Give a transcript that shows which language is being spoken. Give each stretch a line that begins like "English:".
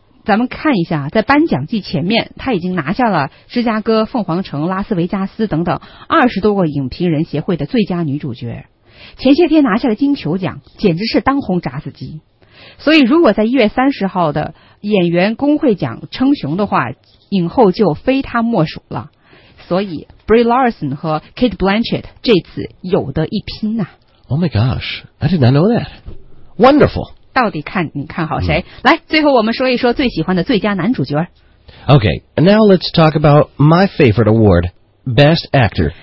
Chinese: 咱们看一下，在颁奖季前面，他已经拿下了芝加哥、凤凰城、拉斯维加斯等等20多个影评人协会的最佳女主角。前些天拿下了金球奖，简直是当红炸子鸡。所以如果在1月30号的演员工会奖称雄的话，影后就非他莫属了。所以 Brie Larson 和 Kate Blanchett 这次有的一拼呐、
English: 啊、Oh my gosh, I did not know that. Wonderful.
Chinese: 到底看你看好谁、mm-hmm. 来，最后我们说一说最喜欢的最佳男主角。
English: Okay, now let's talk about my favorite award, Best Actor.